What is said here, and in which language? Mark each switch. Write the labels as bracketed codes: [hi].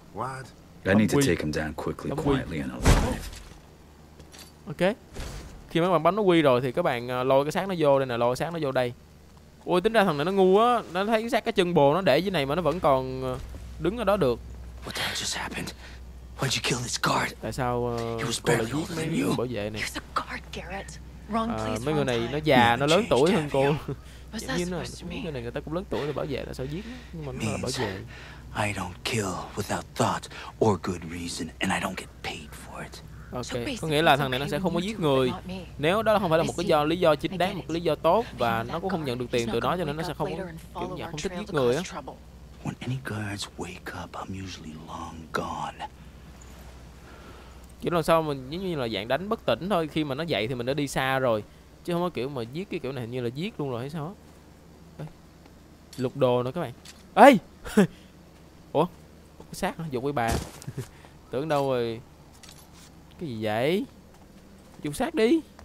[en] What? I need to take him down quickly, quietly and alive. Ok. [vi] Khi mấy bạn bắn nó quy rồi thì các bạn lôi cái xác nó vô đây nè, lôi cái xác nó vô đây. Ôi tính ra thằng này nó ngu á, nó thấy cái xác cái chân bồ nó để dưới này mà nó vẫn còn đứng ở đó được. [en] What the hell just happened? Why'd you kill this guard? [vi] Tại sao cô lại giết mấy người bảo vệ này? [en] You're the guard, Garrett. Wrong place, wrong time. [vi] Mấy người này nó già, nó lớn tuổi hơn cô. Nhưng mà mấy người này người ta cũng lớn tuổi rồi, bảo vệ là sao giết? Nhưng mà nó là bảo vệ. [en] I don't kill without thought or good reason and I don't get paid for it. [vi] Ok, có nghĩa là thằng này nó sẽ không có giết người nếu đó không phải là một cái do lý do chính đáng, một cái lý do tốt, và nó cũng không nhận được tiền từ đó, cho nên nó sẽ không kiểu nhà không thích giết người á. [en] When any guards wake up, I'm usually long gone. [vi] Kiểu lần sau mình giống như là dạng đánh bất tỉnh thôi, khi mà nó dậy thì mình đã đi xa rồi, chứ không có kiểu mà giết cái kiểu này như là giết luôn rồi hay sao á. Lục đồ nữa các bạn. Ê ủa có xác hả, dục với bà. Tưởng đâu rồi. Cái gì vậy? Dùng xác đi.